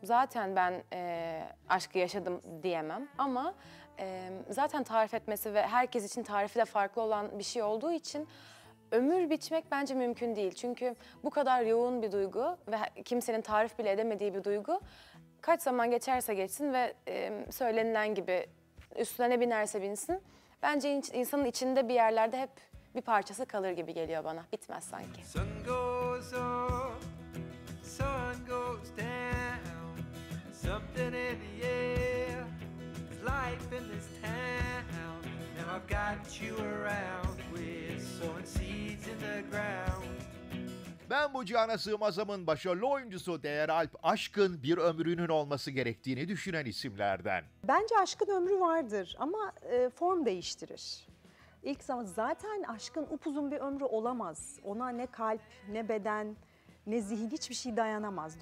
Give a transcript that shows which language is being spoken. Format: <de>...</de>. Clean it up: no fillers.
<tr>Zaten ben aşkı yaşadım diyemem ama zaten tarif etmesi ve herkes için tarifi de farklı olan bir şey olduğu için ömür biçmek bence mümkün değil. Çünkü bu kadar yoğun bir duygu ve kimsenin tarif bile edemediği bir duygu kaç zaman geçerse geçsin ve söylenilen gibi üstüne ne binerse binsin bence insanın içinde bir yerlerde hep bir parçası kalır gibi geliyor bana. Bitmez sanki.</tr> <en>Sun goes up, sun goes down. Something in the air, life in this town. Now I've got you around, we're sowing seeds in the ground.</en> <tr>Ben bu cihana sığmazamın başarılı oyuncusu Değer Alp, aşkın bir ömrünün olması gerektiğini düşünen isimlerden. Bence aşkın ömrü vardır ama form değiştirir. İlk zaman zaten aşkın upuzun bir ömrü olamaz. Ona ne kalp, ne beden, ne zihin hiçbir şey dayanamaz.</tr>